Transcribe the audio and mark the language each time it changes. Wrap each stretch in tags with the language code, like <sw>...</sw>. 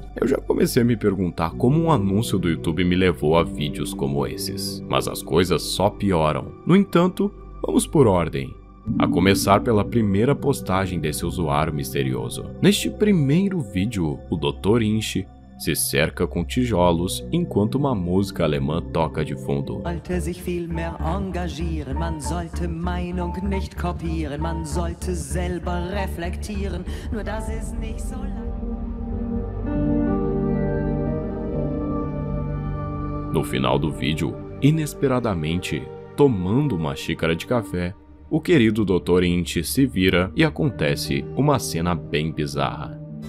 <pt>Eu já comecei a me perguntar como um anúncio do YouTube me levou a vídeos como esses. Mas as coisas só pioram. No entanto, vamos por ordem. A começar pela primeira postagem desse usuário misterioso. Neste primeiro vídeo, o Dr. Inch se cerca com tijolos enquanto uma música alemã toca de fundo.</pt> <de>Sollte sich viel mehr engagieren, man sollte Meinung nicht kopieren, man sollte selber reflektieren, nur das ist nicht so lang.</de> <pt>No final do vídeo, inesperadamente, tomando uma xícara de café, o querido Dr. Int se vira e acontece uma cena bem bizarra.</pt>